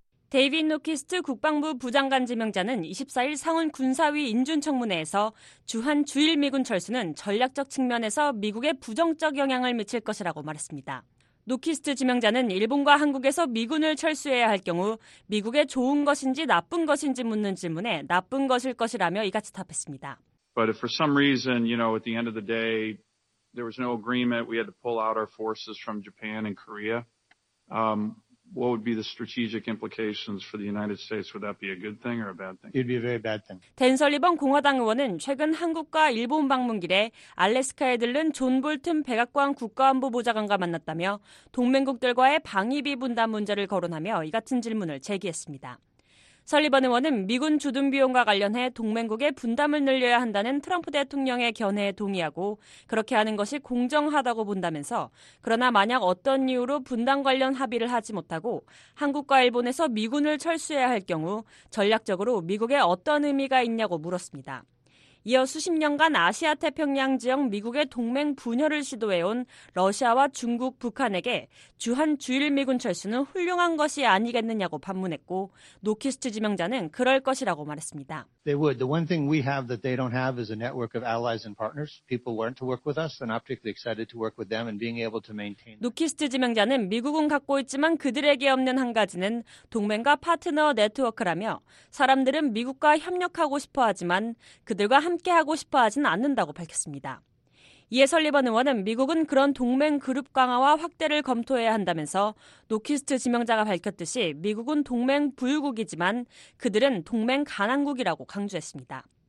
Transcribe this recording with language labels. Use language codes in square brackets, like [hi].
[ko] 데이빗 노키스트 국방부 부장관 지명자는 24일 상원 군사위 인준청문회에서 주한 주일 미군 철수는 전략적 측면에서 미국에 부정적 영향을 미칠 것이라고 말했습니다. 노키스트 지명자는 일본과 한국에서 미군을 철수해야 할 경우 미국에 좋은 것인지 나쁜 것인지 묻는 질문에 나쁜 것일 것이라며 이같이 답했습니다. [en] But if for some reason, you know, at the end of the day, there was no agreement, we had to pull out our forces from Japan and Korea. What would be the strategic implications for the United States? Would that be a good thing or a bad thing? It'd be a very bad thing. [ko] 댄 설리번 공화당 의원은 최근 한국과 일본 방문 길에 알래스카에 들른 존 볼튼 백악관 국가안보 보좌관과 만났다며 동맹국들과의 방위비 분담 문제를 거론하며 이 같은 질문을 제기했습니다. 설리번 의원은 미군 주둔 비용과 관련해 동맹국의 분담을 늘려야 한다는 트럼프 대통령의 견해에 동의하고 그렇게 하는 것이 공정하다고 본다면서 그러나 만약 어떤 이유로 분담 관련 합의를 하지 못하고 한국과 일본에서 미군을 철수해야 할 경우 전략적으로 미국에 어떤 의미가 있냐고 물었습니다. 이어 수십 년간 아시아 태평양 지역 미국의 동맹 분열을 시도해온 러시아와 중국, 북한에게 주한 주일 미군 철수는 훌륭한 것이 아니겠느냐고 반문했고 노키스트 지명자는 그럴 것이라고 말했습니다. [en] They would. The one thing we have that they don't have is a network of allies and partners. People want to work with us and optically excited to work with them and being able to maintain. [ko] 노키스트 지명자는 미국은 갖고 있지만 그들에게 없는 한 가지는 동맹과 파트너 네트워크라며 사람들은 미국과 협력하고 싶어 하지만 그들과 함께하고 싶어 하진 않는다고 밝혔습니다. 이에 설리번 의원은 미국은 그런 동맹 그룹 강화와 확대를 검토해야 한다면서 노키스트 지명자가 밝혔듯이 미국은 동맹 부유국이지만 그들은 동맹 가난국이라고 강조했습니다.